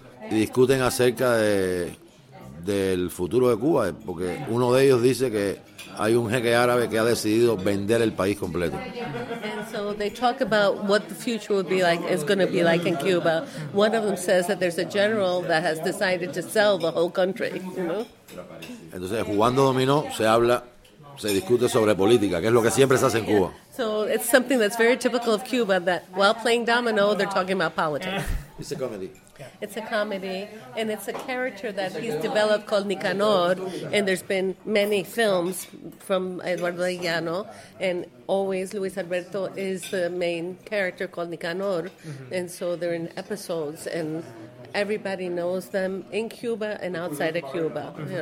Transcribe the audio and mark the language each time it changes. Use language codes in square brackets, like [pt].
[es] Y discuten acerca del futuro de Cuba, porque uno de ellos dice que hay un jeque árabe que ha decidido vender el país completo. [en] And so they talk about what the future will be like, is going to be like in Cuba. One of them says that there's a general that has decided to sell the whole country. [es] Entonces, jugando dominó, se discute sobre política, que es lo que siempre se hace en Cuba. [en] So it's something that's very typical of Cuba, that while playing domino, they're talking about politics. It's a comedy. It's a comedy, and it's a character that he's developed called Nicanor, and there's been many films from Eduardo Del Llano, and always Luis Alberto is the main character called Nicanor, and so they're in episodes, and everybody knows them in Cuba and outside of Cuba.